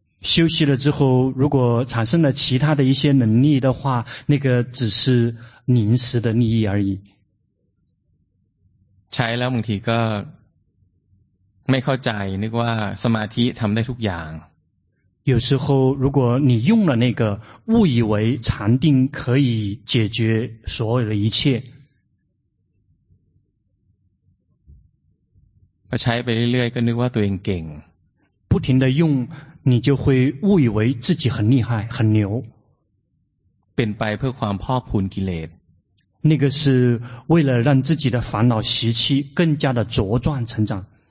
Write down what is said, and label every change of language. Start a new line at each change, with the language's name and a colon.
Chinese: 休息了之后如果产生了其他的一些能力的话那个只是临时的利益而已
Thai: ใช้แล้วบางทีก็ไม่เข้าใจนึกว่าสมาธิทำได้ทุกอย่าง
Chinese: 有时候如果你用了那个误以为禅定可以解决所有的一切
Thai: ใช้ไปเรื่อยๆก็นึกว่าตัวเองเก่ง
Chinese: 不停的用你就会误以为自己很厉害很牛
Thai: เป็นไปเพื่อความพอกพูนกิเลส
Chinese: 那个是为了让自己的烦恼习气更加的茁壮成长